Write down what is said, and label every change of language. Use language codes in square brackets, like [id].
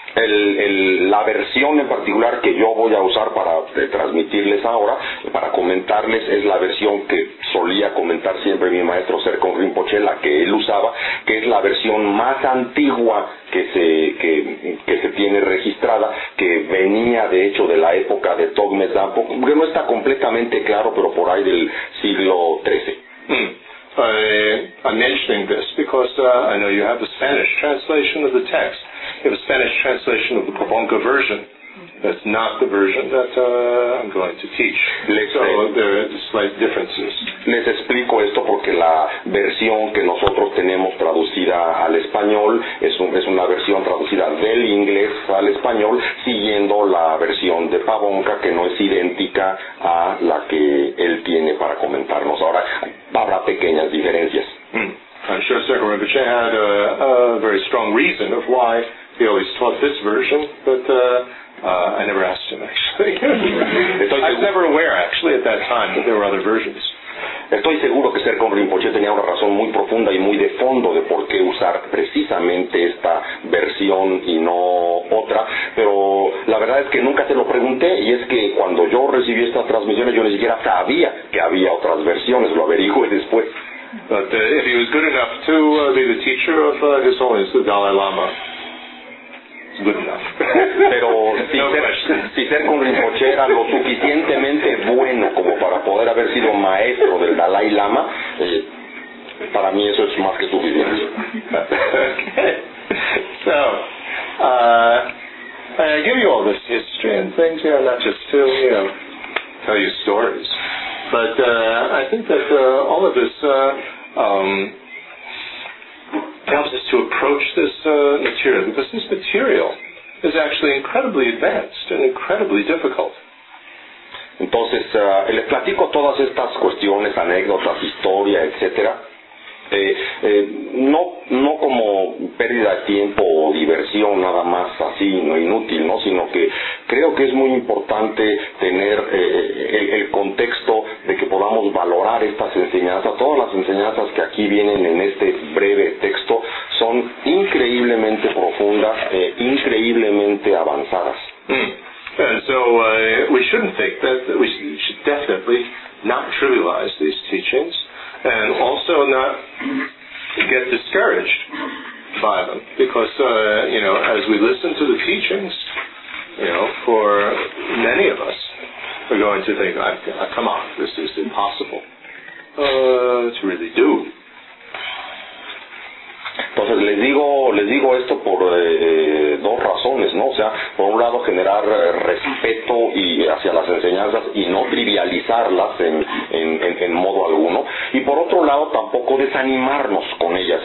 [es] La versión en particular que yo voy a usar para transmitirles ahora, para comentarles, es la versión que solía comentar siempre mi maestro Sergeant Rinpoche, la que él usaba, que es la versión más antigua que se tiene registrada, que venía de hecho de la época de Togme Zampo, que no está completamente claro, pero por ahí del siglo XIII. [en] I'm mentioning this because I know you have a Spanish translation of the text. You have a Spanish translation of the Pabonka version. That's not the version that I'm going to teach. So there are slight differences. [es] Les explico esto porque la versión que nosotros tenemos traducida al español es una versión traducida del inglés al español siguiendo la versión de Pabonka, que no es idéntica a la que él tiene para comentarnos. Ahora, habrá pequeñas diferencias. [en] I'm sure Sergeant Rinpoche had a very strong reason of why he always taught this version, but I never asked him, actually. I was never aware, actually, at that time, that there were other versions. [es] Estoy seguro que Sergeant Rinpoche tenía una razón muy profunda y muy de fondo de por qué usar precisamente esta versión y no otra, pero la verdad es que nunca se lo pregunté, y es que cuando yo recibí estas transmisiones yo ni siquiera sabía que había otras versiones, lo averigüé después. [en] But if he was good enough to be the teacher of His Holiness the Dalai Lama, [es] pero si Sergeant Rinpoche era lo suficientemente bueno como para poder haber sido maestro del Dalai Lama, para mí eso es más que suficiente. [en] Okay. So, I give you all this history and things here, not just to, you know, tell you stories, but I think that all of this helps us to approach this material, because this material is actually incredibly advanced and incredibly difficult. [es] Entonces, les platico todas estas cuestiones, anécdotas, historia, etcétera. No como pérdida de tiempo o diversión nada más así, no inútil, ¿no? Sino que creo que es muy importante tener el contexto de que podamos valorar estas enseñanzas. Todas las enseñanzas que aquí vienen en este breve texto son increíblemente profundas, increíblemente avanzadas. [en] We shouldn't think that we should definitely not trivialize these teachings. And also not get discouraged by them, because you know, as we listen to the teachings, you know, for many of us, we're going to think, "Come on, this is impossible to really do." [es] Entonces les digo esto por dos razones, ¿no? O sea, por un lado generar respeto y hacia las enseñanzas y no trivializarlas en modo alguno, y por otro lado tampoco desanimarnos con ellas.